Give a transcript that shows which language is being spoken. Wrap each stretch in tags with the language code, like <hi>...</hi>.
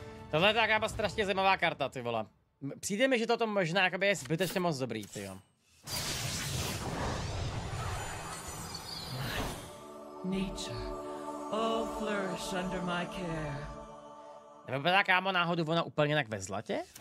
<cs>Tohle je taková strašně zajímavá karta, ty vole. Přijde mi, že toto možná jakoby je zbytečně moc dobrý, ty jo.</cs> <en>Nature, all flourish under my care.</en> <cs>Nebo byla kámo náhodou ona úplně jinak ve zlatě?</cs>